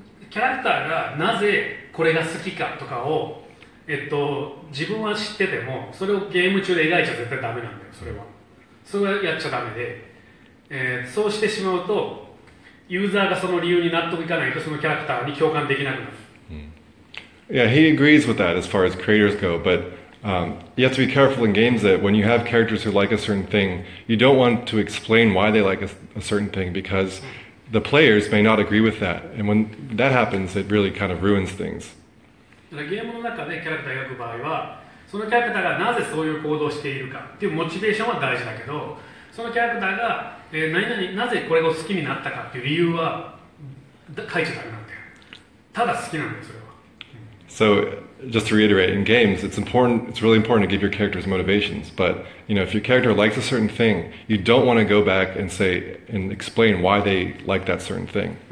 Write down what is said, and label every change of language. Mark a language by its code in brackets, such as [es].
[ja] キャラクターがなぜこれが好きかとかを、自分は知ってても、それをゲーム中で描いちゃ絶対ダメなんだよ、それは。それはやっちゃダメで、そうしてしまうと、ユーザーがその理由に納得いかないと、そのキャラクターに共感できなくなる。 [en] Yeah, he agrees with that as far as creators go, but you have to be careful in games that when you have characters who like a certain thing, you don't want to explain why they like a certain thing, because the players may not agree with that. And when that happens, it really kind of ruins things. [ja] ゲームの中でキャラクターを描く場合は、そのキャラクターがなぜそういう行動をしているかっていうモチベーションは大事だけど、そのキャラクターが、何々なぜこれを好きになったかっていう理由は書いちゃダメなんだよ。ただ好きなんだよ、それは。 [en] So, just to reiterate, in games, it's really important to give your characters motivations. But, you know, if your character likes a certain thing, you don't want to go back and say and explain why they like that certain thing.